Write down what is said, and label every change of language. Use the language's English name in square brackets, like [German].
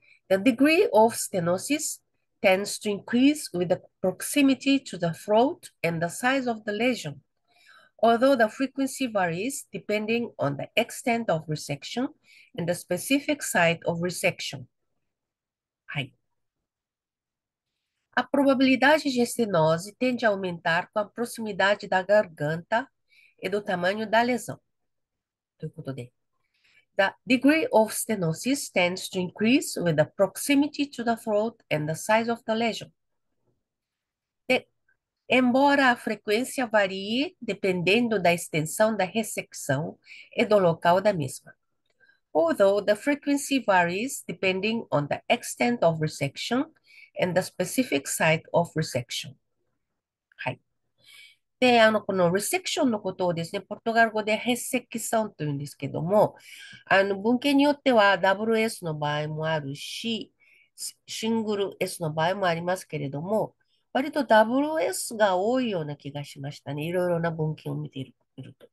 [English] The degree of stenosis tends to increase with the proximity to the throat and the size of the lesion. Although the frequency varies depending on the extent of resection and the specific site of resection. [Japanese] はい。 [Portuguese] A probabilidade de estenose tende a aumentar com a proximidade da garganta e do tamanho da lesão. [Japanese] ということで。 [English] The degree of stenosis tends to increase with the proximity to the throat and the size of the lesion. [Portuguese] Embora a frequência varie dependendo da extensão da ressecção e do local da mesma. [English] Although the frequency varies depending on the extent of resection and the specific site of resection. [Japanese] で、このレセクションのことをですね、ポルトガル語でヘッセキソンというんですけども、文献によっては WS の場合もあるし、シングル S の場合もありますけれども、割と WS が多いような気がしましたね。いろいろな文献を見ていると。